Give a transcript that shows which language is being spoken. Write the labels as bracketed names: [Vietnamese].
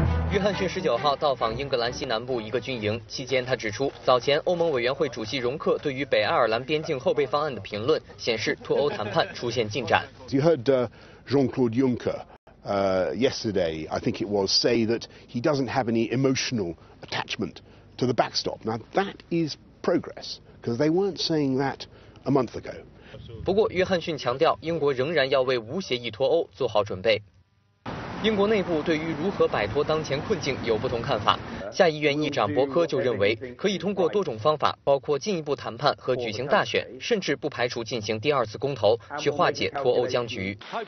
[Chinese] 约翰逊19号到访英格兰西南部一个军营，期间他指出，早前欧盟委员会主席容克对于北爱尔兰边境后备方案的评论显示脱欧谈判出现进展。 [English] You heard Jean-Claude Juncker yesterday, I think it was, say that he doesn't have any emotional attachment to the backstop. Now that is progress, because they weren't saying that a month ago. [Chinese] 不过，约翰逊强调，英国仍然要为无协议脱欧做好准备。英国内部对于如何摆脱当前困境有不同看法。下议院议长伯科就认为，可以通过多种方法，包括进一步谈判和举行大选，甚至不排除进行第二次公投，去化解脱欧僵局。